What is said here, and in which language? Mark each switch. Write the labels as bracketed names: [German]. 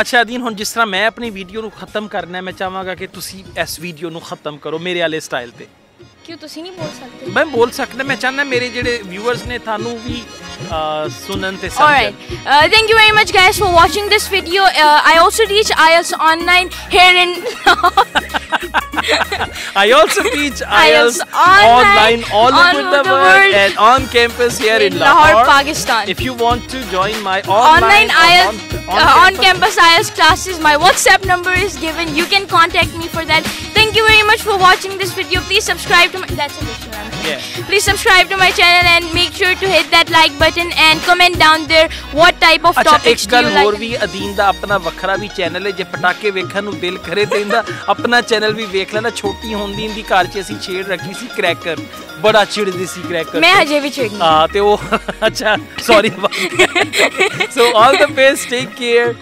[Punjabi] ਅੱਛਾ ਅਧੀਨ, ਹੁਣ ਜਿਸ ਤਰ੍ਹਾਂ ਮੈਂ ਆਪਣੀ ਵੀਡੀਓ ਨੂੰ ਖਤਮ ਕਰਨਾ, ਮੈਂ ਚਾਹਾਂਗਾ ਕਿ ਤੁਸੀਂ ਇਸ ਵੀਡੀਓ ਨੂੰ ਖਤਮ ਕਰੋ ਮੇਰੇ ਵਾਲੇ ਸਟਾਈਲ ਤੇ। ਕਿਉਂ, ਤੁਸੀਂ ਨਹੀਂ ਬੋਲ ਸਕਦੇ? ਮੈਂ ਬੋਲ ਸਕਦਾ, ਮੈਂ ਚਾਹੁੰਦਾ ਮੇਰੇ ਜਿਹੜੇ ਵਿਊਅਰਸ ਨੇ ਤੁਹਾਨੂੰ ਵੀ ਸੁਣਨ ਤੇ ਸਮਝਣ। [English] Alright, thank you very much guys for watching this video, I also teach IELTS online here in I also teach IELTS online all over the world and on campus here in Lahore, Pakistan. If you want to join my online IELTS on campus IELTS classes, my WhatsApp number is given. You can contact me for that. Thank you very much for watching this video. Please subscribe to my Please subscribe to my channel and make sure to hit that like button and comment down there what type of topics [Punjabi] ਜੀ like ਅਚਾ ਇੱਕ ਗੱਲ ਹੋਰ ਵੀ ਅਧੀਨ ਦਾ ਆਪਣਾ ਵੱਖਰਾ ਵੀ channel ਹੈ ਜੇ ਪਟਾਕੇ ਵੇਖਣ ਨੂੰ ਦਿਲ ਕਰੇ ਤੇ ਇਹਦਾ ਆਪਣਾ ਚੈਨਲ ਵੀ ਵੇਖ ਲੈਣਾ ਛੋਟੀ ਹੁੰਦੀ ਇਹਦੀ ਘਰ 'ਚ ਅਸੀਂ ਛੇੜ ਰੱਖੀ ਸੀ ਕ੍ਰੈਕਰ ਬੜਾ ਚਿੜਦੀ ਸੀ ਕ੍ਰੈਕਰ ਮੈਂ ਅਜੇ ਵੀ ਛੇੜਦੀ ਹਾਂ ਤੇ ਉਹ ਅੱਛਾ [English] sorry so all the best take care